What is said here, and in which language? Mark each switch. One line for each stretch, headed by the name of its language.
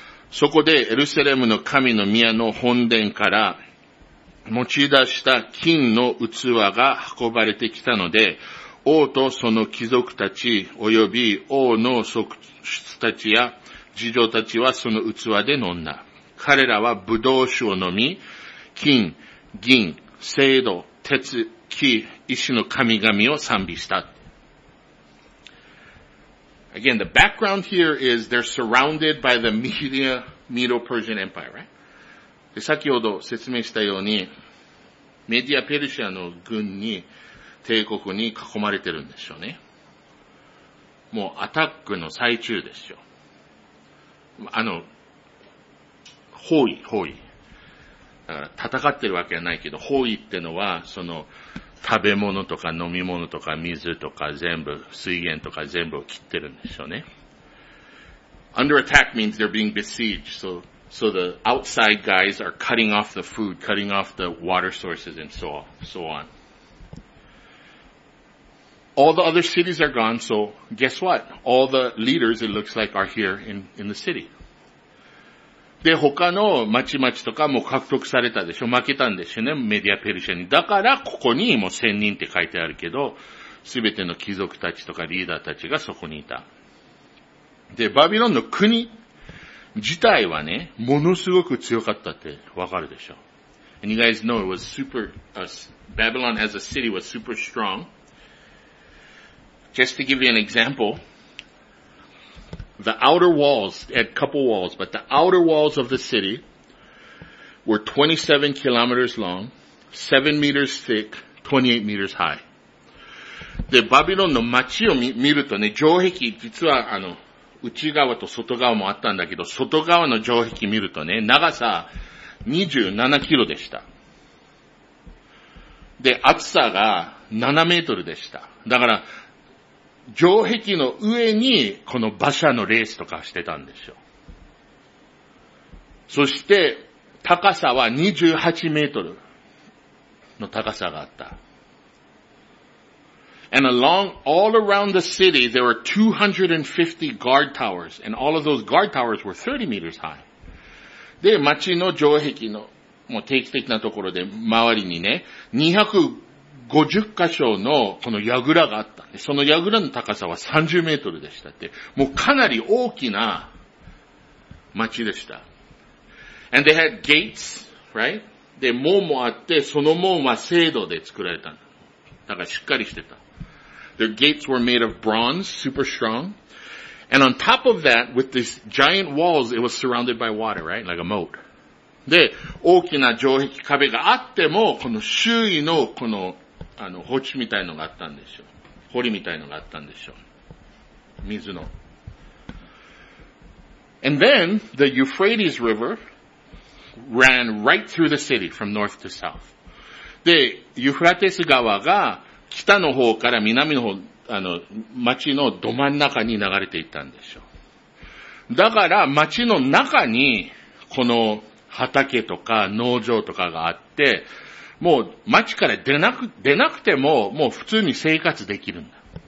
Japanese: そこでエルサレムの神の宮の本殿から持ち出した金の器が運ばれてきたので、王とその貴族たち及び王の側室たちや侍女たちはその器で飲んだ。彼らは葡萄酒を飲み、金、銀、青銅、鉄、木、石の神々を賛美した。
English: Again, the background here is they're surrounded by the Medo-Persian Empire, right?
Japanese: で先ほど説明したように、メディアペルシアの軍に、帝国に囲まれてるんでしょうね。もうアタックの最中でしょう。包囲。だから戦ってるわけはないけど、包囲ってのは、その、食べ物とか飲み物とか水とか全部、水源とか全部を切ってるんでしょうね。
English: Under attack means they're being besieged, So the outside guys are cutting off the food, cutting off the water sources and so on. All the other cities are gone, so guess what? All the leaders, it looks like, are here in the city.
Japanese: で、他の町々とかも獲得されたでしょ？負けたんでしょね、メディアペルシアに。だから、ここにもう千人って書いてあるけど、すべての貴族たちとかリーダーたちがそこにいた。で、バビロンの国、自体はね、ものすごく強かったってわかるでしょ。
English: And you guys know it was super, Babylon as a city was super strong. Just to give you an example, the outer walls, at couple walls, but the outer walls of the city were 27 kilometers long, 7 meters thick, 28 meters high.
Japanese: で、バビロンの街を見るとね、城壁、実は内側と外側もあったんだけど、外側の城壁見るとね、長さ27キロでした。で、厚さが7メートルでした。だから、城壁の上に、この馬車のレースとかしてたんでしょ。そして、高さは28メートルの高さがあった。
English: And along, all around the city, there were 250 guard towers, and all of those guard towers were 30 meters high.
Japanese: で、街の城壁の、もう定期的なところで、周りにね、250箇所のこの櫓があった。その櫓の高さは30メートルでしたって。もうかなり大きな町でした。
English: And they had gates, right?
Japanese: で、門もあって、その門は青銅で作られた。だからしっかりしてた。
English: Their gates were made of bronze, super strong. And on top of that, with these giant walls, it was surrounded by water, right? Like a moat.
Japanese: で、大きな城壁壁があっても、この周囲のこの堀みたいのがあったんでしょ。堀みたいのがあったんでしょ。水の。
English: And then, the Euphrates River ran right through the city from north to south.
Japanese: で、ユフラテス川が北の方から南の方、町のど真ん中に流れていったんでしょ。だから、町の中に、この畑とか農場とかがあって、もう町から出なくても、もう普通に生活できるんだ。